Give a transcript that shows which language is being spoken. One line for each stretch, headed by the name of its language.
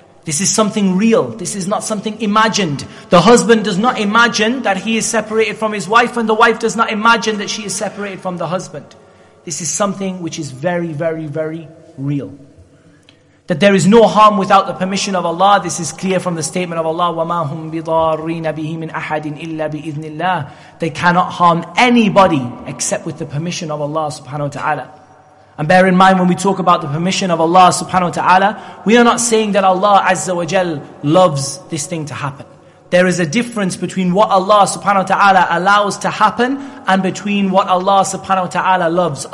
English: This is something real. This is not something imagined. The husband does not imagine that he is separated from his wife, and the wife does not imagine that she is separated from the husband. This is something which is very, very, very real. That there is no harm without the permission of Allah. This is clear from the statement of Allah,
Arabic: وَمَا هُمْ بِضَارِّينَ بِهِ مِنْ أَحَدٍ إِلَّا بِإِذْنِ اللَّهِ.
English: They cannot harm anybody except with the permission of Allah subhanahu wa ta'ala. And bear in mind, when we talk about the permission of Allah subhanahu wa ta'ala, we are not saying that Allah azza wa jal loves this thing to happen. There is a difference between what Allah subhanahu wa ta'ala allows to happen and between what Allah subhanahu wa ta'ala loves.